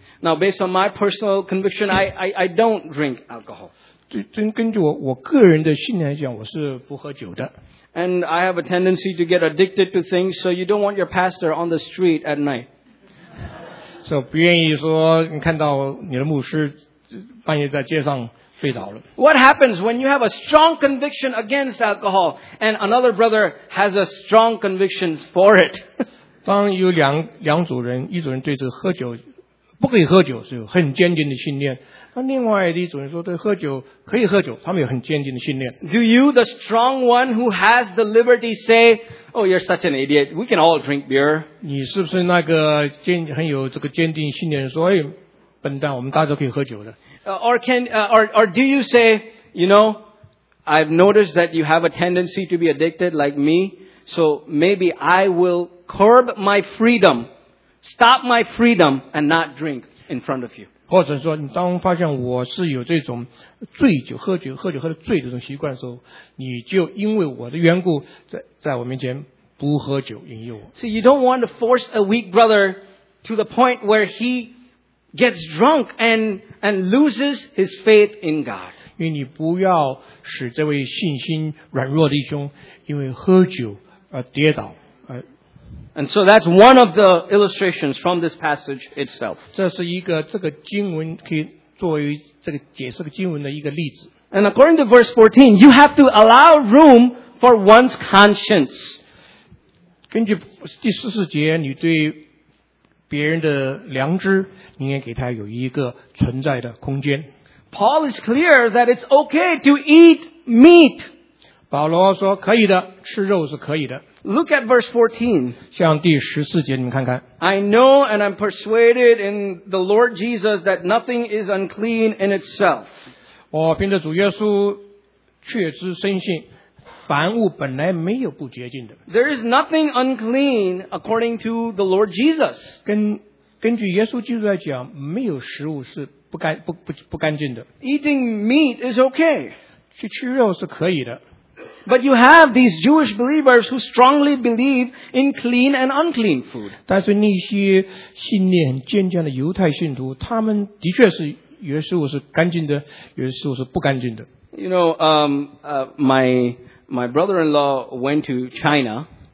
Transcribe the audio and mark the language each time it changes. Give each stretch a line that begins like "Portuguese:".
English: Now, based on my personal conviction, I don't drink alcohol.
Chinese: 根据我个人的信念来讲，我是不喝酒的。
English: And I have a tendency to get addicted to things, so you don't want your pastor on the street at night.
Chinese: So, 不愿意说你看到你的牧师半夜在街上睡倒了。
English: What happens when you have a strong conviction against alcohol and another brother has a strong conviction for it?
Chinese: 当有两组人，一组人对这个喝酒不可以喝酒是有很坚定的信念，那另外的一种人说对喝酒可以喝酒，他们有很坚定的信念。
English: Do you, the strong one who has the liberty, say, "Oh, you're such an idiot. We can all drink beer."
Chinese: 你是不是那个很有这个坚定信念说，哎，笨蛋，我们大家都可以喝酒的
English: ？Or do you say, you know, I've noticed that you have a tendency to be addicted like me, so maybe I will curb my freedom. Stop my freedom and not drink in front of you.
Chinese: 或者说，你当发现我是有这种醉酒、喝酒喝的醉的这种习惯的时候，你就因为我的缘故，在我面前不喝酒引诱我。
English: See, you don't want to force a weak brother to the point where he gets drunk and loses his faith in God.
Chinese: 因为你不要使这位信心软弱的弟兄因为喝酒而跌倒。
English: And so that's one of the illustrations from this passage itself.
Chinese: 这是一个这个经文可以作为这个解释经文的一个例子。
English: And according to verse 14, you have to allow room for one's conscience.
Chinese: 根据第十四节，你对别人的良知，你应该给他有一个存在的空间。
English: Paul is clear that it's okay to eat meat.
Chinese: 保罗说可以的，吃肉是可以的。
English: Look at verse 14.
Chinese: 像第十四节你们看看。
English: I know and I'm persuaded in the Lord Jesus that nothing is unclean in itself.
Chinese: 我凭着主耶稣确知深信凡物本来没有不洁净的。
English: There is nothing unclean according to the Lord Jesus.
Chinese: 根据耶稣基督来讲没有食物是不干净的。
English: Eating meat is okay.
Chinese: 去吃肉是可以的。
English: But you have these Jewish believers who strongly believe in clean and unclean food.
Chinese: 但是那些信念很坚强的犹太信徒，他们的确是有时候是干净的，有时候是不干净的。
English: You know, my brother-in-law went to China.